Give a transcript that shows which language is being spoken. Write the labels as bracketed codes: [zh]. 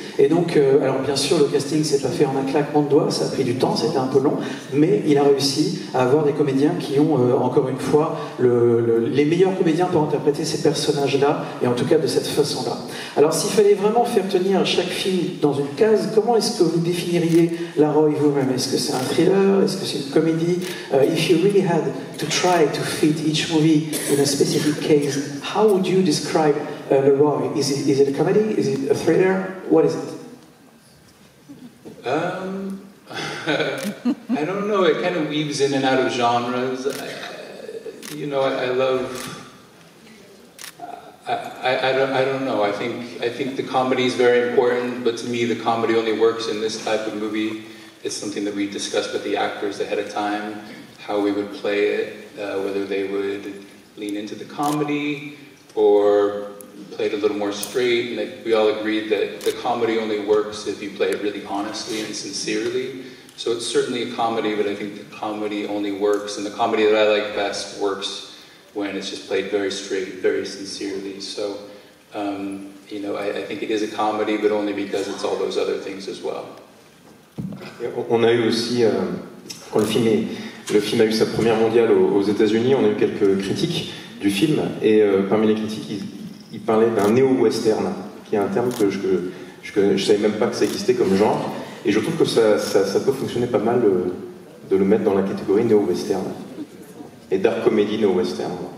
[fr] Et donc, alors bien sûr, le casting s'est pas fait en un claquement de doigts, ça a pris du temps, c'était un peu long, mais il a réussi à avoir des comédiens qui ont, encore une fois, les meilleurs comédiens pour interpréter ces personnages-là, et en tout cas de cette façon-là. Alors, s'il fallait vraiment faire tenir chaque film dans une case, comment est-ce que vous définiriez la Roy vous-même? Est-ce que c'est un thriller? Est-ce que c'est une comédie? [en] If you really had to try to fit each movie in a specific case, how would you describe Le Roy? Is it a comedy? Is it a thriller? What is it? I don't know. It kind of weaves in and out of genres. I don't know. I think the comedy is very important, but to me, the comedy only works in this type of movie. It's something that we discussed with the actors ahead of time, how we would play it, whether they would lean into the comedy or played a little more straight, and we all agreed that the comedy only works if you play it really honestly and sincerely. So it's certainly a comedy, but I think the comedy only works, and the comedy that I like best works when it's just played very straight, very sincerely. So you know, I think it is a comedy, but only because it's all those other things as well. [fr] On a eu aussi, quand le film a eu sa première mondiale aux États-Unis, on a eu quelques critiques du film, et parmi les critiques, il parlait d'un néo-western, qui est un terme que je savais même pas que ça existait comme genre, et je trouve que ça peut fonctionner pas mal de le mettre dans la catégorie néo-western, et dark comedy néo-western.